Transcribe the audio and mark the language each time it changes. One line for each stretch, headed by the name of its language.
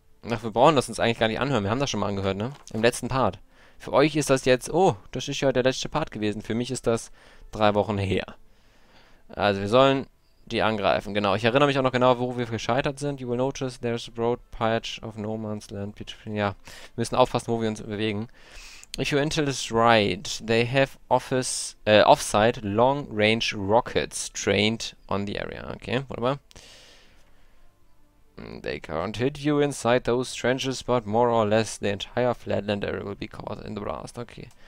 German: Ach, wir brauchen das uns eigentlich gar nicht anhören. Wir haben das schon mal angehört, ne? Im letzten Part. Für euch ist das jetzt. Oh, das ist ja der letzte Part gewesen. Für mich ist das 3 Wochen her. Also, wir sollen die angreifen. Genau, ich erinnere mich auch noch genau, wo wir gescheitert sind.
English: You will notice there is a broad patch of no man's land between.
German: Ja, wir müssen aufpassen, wo wir uns bewegen.
English: If your intel is right, they have office, offsite long range rockets trained on the area. Okay, whatever. They can't hit you inside those trenches, but more or less the entire flatland area will be caught in the blast. Okay.